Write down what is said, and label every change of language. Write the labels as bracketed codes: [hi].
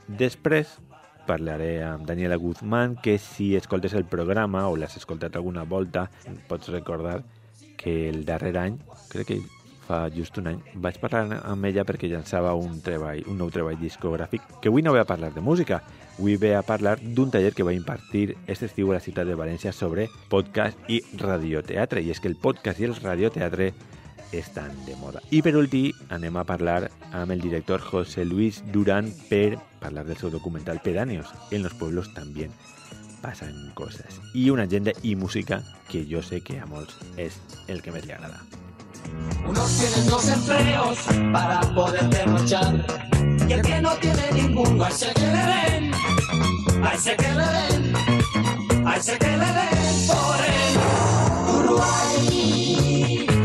[ca] Després parlaré amb Daniela Guzmán, que si escoltes el programa o l'has escoltat alguna volta, pots recordar que el darrer any, crec que fa just un any, vaig parlar amb ella perquè llançava un treball, un nou treball discogràfic, que avui no ve a parlar de música, avui ve a parlar d'un taller que va impartir aquest estiu a la ciutat de València sobre podcast i radioteatre, i és que el podcast i el radioteatre estan de moda. I per últim, anem a parlar amb el director José Luis Durán per parlar del seu documental Pedáneos. [es] En los pueblos también pasan cosas. [ca] I una agenda i música que jo sé que a molts és el que més li agrada. [es] Unos tienen dos empleos para poder derrochar, y el que no tiene ninguno, a ese que le den, a ese que le den, a ese que le den por el Uruguay.